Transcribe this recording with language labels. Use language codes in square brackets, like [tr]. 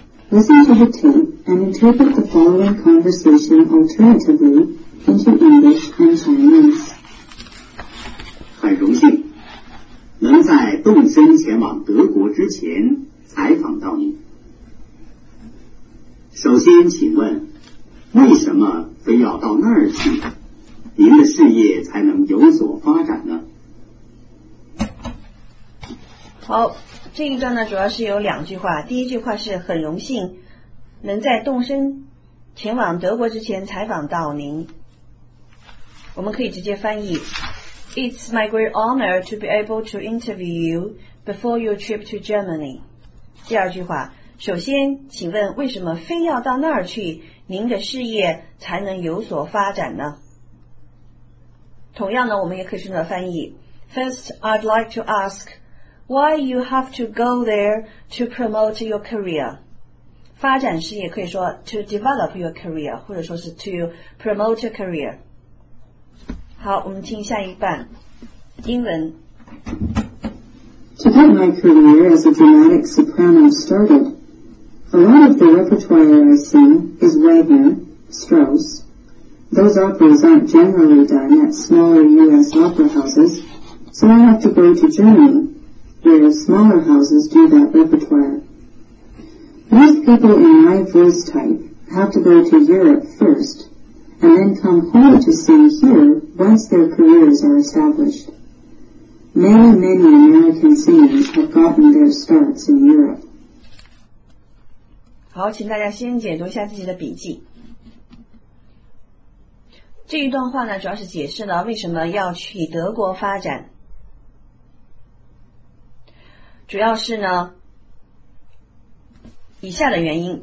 [en] Listen to the tape and interpret the following conversation alternatively into English and Chinese. [zh] 很荣幸能在动身前往德国之前采访到你。首先请问，为什么非要到那儿去，您的事业才能有所发展呢？好，这一段呢主要是有两句话，第一句话是很荣幸能在动身前往德国之前采访到您，我们可以直接翻译 [en] It's my great honor to be able to interview you before your trip to Germany。 [zh] 第二句话，首先请问为什么非要到那儿去，您的事业才能有所发展呢？同样呢我们也可以顺着翻译 [en] First I'd like to ask why you have to go there to promote your career。 [zh] 发展事业可以说 [en] to develop your career [zh] 或者说是 [en] to promote your career。 [zh] 好，我们听下一半英文。 [en] To get my career as a dramatic soprano started, a lot of the repertoire I sing is Wagner, Strauss. Those operas aren't generally done at smaller U.S. opera houses, so I have to go to Germany, where smaller houses do that repertoire. Most people in my voice type have to go to Europe first, and then come home to sing here once their careers are established. Many, many American singers have gotten their starts in Europe. [zh] 好，请大家先解读一下自己的笔记。这一段话呢，主要是解释了为什么要去德国发展。主要是呢，以下的原因。